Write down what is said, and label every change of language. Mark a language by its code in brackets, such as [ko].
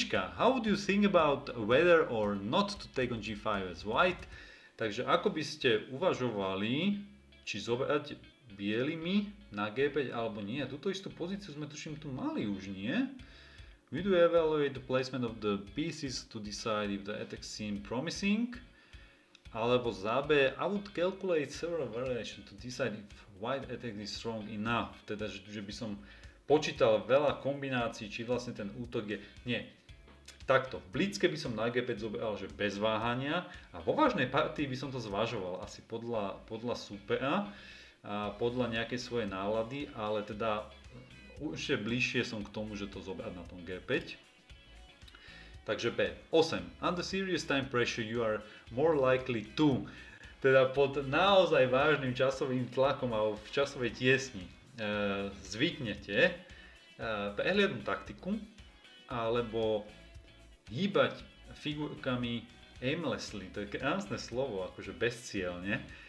[en] How do you think about whether or not to take on G5 as white? [sk] Takže ako by ste uvažovali, či zobrať bielými na G5 alebo nie? Tuto istú pozíciu sme tuším tu mali už, nie? [en] We do evaluate the placement of the pieces to decide if the attack seems promising. [sk] Alebo za B, [en] I would calculate several variations to decide if white attack is strong enough. [sk] Teda, že by som počítal veľa kombinácií, či vlastne ten útok je... Nie, takto. V blitzke by som na G5 zobral, že bez váhania. A vo vážnej partii by som to zvažoval asi podľa supera, a podľa nejakej svojej nálady, ale teda už je bližšie som k tomu, že to zobrať na tom G5. Takže B. 8. [en] Under serious time pressure you are more likely to. [sk] Teda pod naozaj vážnym časovým tlakom alebo v časovej tiesni zvyknete prehliadnú taktiku alebo hýbať figurkami aimlessly. To je krásne slovo, akože bezcielne.